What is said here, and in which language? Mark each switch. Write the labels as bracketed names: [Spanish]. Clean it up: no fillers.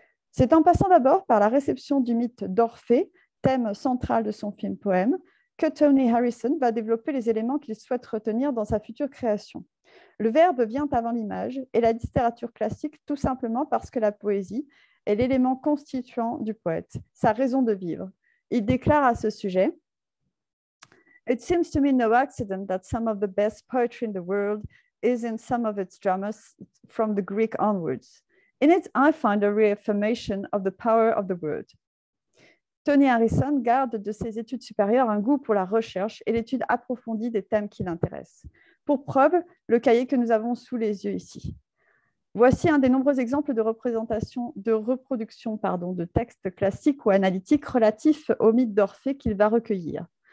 [French] C'est en passant d'abord par la réception du mythe d'Orphée, thème central de son film-poème, que Tony Harrison va développer les éléments qu'il souhaite retenir dans sa future création. Le verbe vient avant l'image et la littérature classique tout simplement parce que la poésie est l'élément constituant du poète, sa raison de vivre. Il déclare à ce sujet [English] « It seems to me no accident that some of the best poetry in the world is in some of its dramas from the Greek onwards. In it, I find a reaffirmation of the power of the word. [French] » Tony Harrison garde de ses études supérieures un goût pour la recherche et l'étude approfondie des thèmes qui l'intéressent. Pour preuve, le cahier que nous avons sous les yeux ici. Voici un des nombreux exemples de reproduction, de textes classiques ou analytiques relatifs au mythe d'Orphée qu'il va recueillir.